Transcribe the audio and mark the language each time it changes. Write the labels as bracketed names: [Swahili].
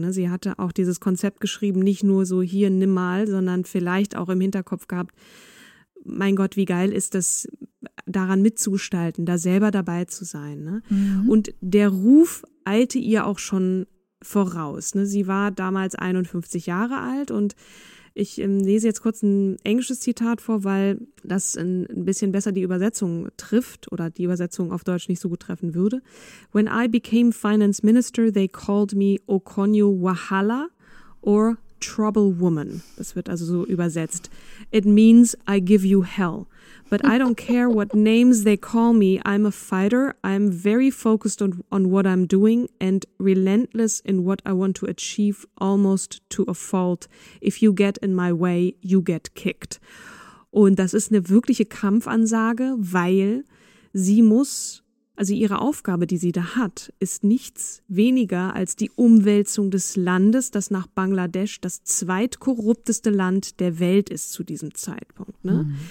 [German] Ne? Sie hatte auch dieses Konzept geschrieben, nicht nur so hier nimm mal, sondern vielleicht auch im Hinterkopf gehabt, mein Gott, wie geil ist das, daran mitzugestalten, da selber dabei zu sein. Ne? Mhm. Und der Ruf eilte ihr auch schon voraus. Sie war damals 51 Jahre alt und ich lese jetzt kurz ein englisches Zitat vor, weil das ein bisschen besser die Übersetzung trifft oder die Übersetzung auf Deutsch nicht so gut treffen würde. [English] When I became finance minister, they called me Okonjo-Iweala or trouble woman. [German] Das wird also so übersetzt. [English] It means I give you hell. But I don't care what names they call me. I'm a fighter. I'm very focused on what I'm doing and relentless in what I want to achieve almost to a fault. If you get in my way, you get kicked. [German] Und das ist eine wirkliche Kampfansage, weil sie muss, also ihre Aufgabe, die sie da hat, ist nichts weniger als die Umwälzung des Landes, das nach Bangladesch das zweitkorrupteste Land der Welt ist zu diesem Zeitpunkt. Ne? Mhm.